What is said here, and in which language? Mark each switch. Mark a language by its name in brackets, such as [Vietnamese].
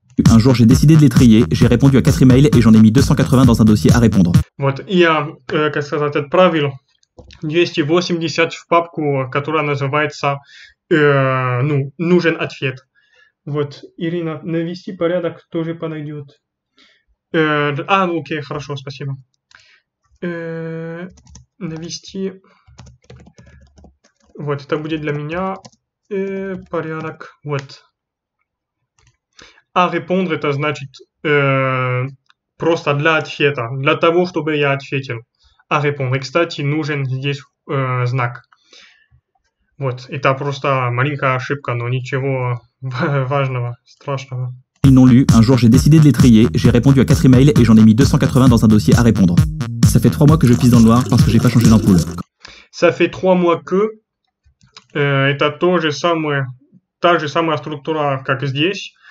[French] Un jour, j'ai décidé de les trier. J'ai répondu à 4 emails et j'en ai mis 280 dans un dossier à répondre. [Russian] Вот, я, как сказать, отправил 280 в папку, которая называется ну, «Нужен ответ». Вот, Ирина, навести порядок тоже подойдет. Окей, хорошо, спасибо. Навести... Вот, это будет для меня порядок. Вот. [French] А répondre, [Russian] это значит просто для ответа, для того, чтобы я ответил. [French] А répondre. [Russian] Кстати, нужен здесь знак. Вот, это просто маленькая ошибка, но ничего важного, страшного. [French] Ils n'ont lu, un jour j'ai décidé de les trier, j'ai répondu à 4 emails et j'en ai mis 280 dans un dossier à répondre. Ça fait 3 mois que je pisse dans le noir parce que j'ai pas changé d'ampoule. Ça fait 3 mois que... [Russian] это тоже самое, та же самая структура, как здесь.